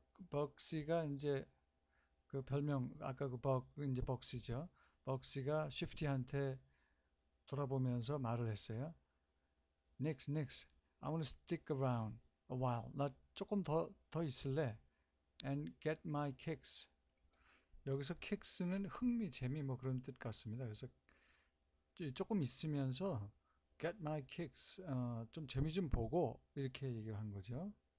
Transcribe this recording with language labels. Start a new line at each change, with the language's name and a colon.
Korean: Bugsy가 이제 그 별명 아까 그 Bug 이제 Bugsy죠. Bugsy가 Shifty한테 돌아보면서 말을 했어요.
English: Nix, Nix, I wanna stick around a while.
Korean: 나 조금 더 있을래.
English: And get my kicks.
Korean: 여기서 kicks는 흥미, 재미 뭐 그런 뜻 같습니다. 그래서 조금 있으면서
English: get my kicks,
Korean: 좀 재미 좀 보고 이렇게 얘기를 한 거죠.